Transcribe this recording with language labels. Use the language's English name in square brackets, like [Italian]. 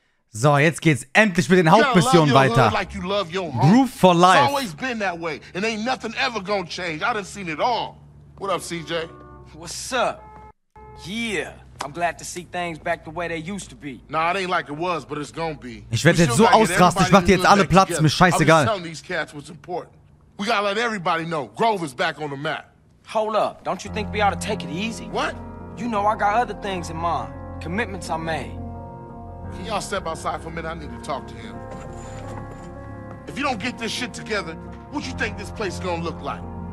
[German] So, jetzt geht's endlich mit den Hauptmissionen weiter. [English] Groove for life. It's always been that way, and ain't nothing ever gonna change. I done seen it all. What up, CJ? What's up? Yeah, I'm glad to see things back the way they used to be. Nah, it ain't like it was, but it's gonna be. [German] Ich werde jetzt so ausrasten, ich mach dir jetzt alle Platz, mir scheißegal. [English] I'm telling these cats what's important. We gotta let everybody know, Grove is back on the map. Hold up, don't you think we ought to take it easy? What? You know, I got other things in mind. Commitments I made. Can y'all step outside for a minute? I need to talk to him. If you don't get this shit together, what you think this place is gonna look like?